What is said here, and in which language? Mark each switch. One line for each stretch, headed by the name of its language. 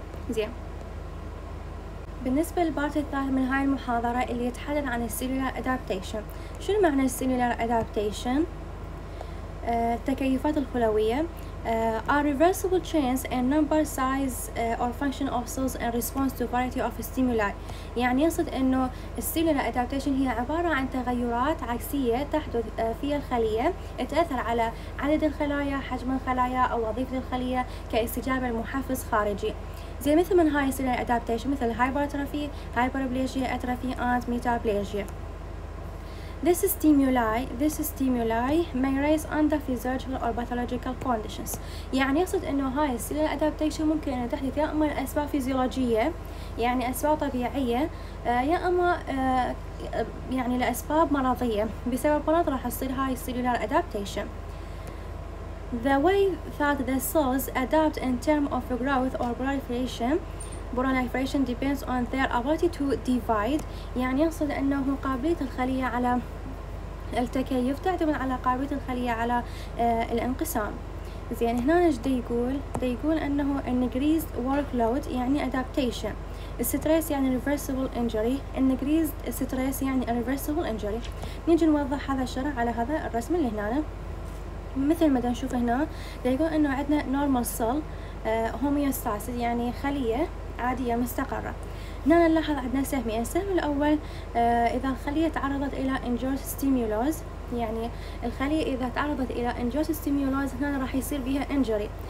Arabic: زين بالنسبه للبارت الثالث من هاي المحاضره اللي يتحدث عن السيلولار ادابتيشن، شنو معنى السيلولار ادابتيشن؟ التكيفات الخلويه
English: are reversible chains and number size or function of cells in response to variety of stimuli.
Arabic: يعني يقصد انه cellular adaptation هي عبارة عن تغيرات عكسية تحدث في الخلية تأثر على عدد الخلايا، حجم الخلايا او وظيفة الخلية كاستجابة لمحفز خارجي. زي مثل من هاي
English: cellular adaptation مثل hypertrophy, hyperplasia, atrophy and metaplasia. This stimuli, may raise under physiological or pathological conditions.
Arabic: يعني يقصد إنه هاي السيل الأدابتيشن ممكن أن تحدث يا أما أسباب فيزيولوجية يعني أسباب طبيعية يا أما يعني لأسباب مرضية بسبب مرض راح تصير هاي السيلولار أدابتيشن.
English: The way that the cells adapt in terms of growth or proliferation. Proliferation depends on their ability to divide.
Arabic: يعني يقصد أنه قابلية الخلية على التكيف تعتمد على قابلية الخلية على الانقسام. زين هنا دا يقول أنه increased workload يعني adaptation.
English: Stress يعني reversible injury. Increased stress يعني irreversible injury.
Arabic: نيجي نوضح هذا الشرح على هذا الرسم اللي هنا. مثل ما دا نشوف هنا دا يقول أنه عندنا normal cell homeostasis يعني خلية عادية مستقرة. هنا نلاحظ عندنا سهمين. السهم الأول إذا الخلية تعرضت إلى endogenous stimulus يعني الخلية إذا تعرضت إلى endogenous stimulus هنا راح يصير بها injury.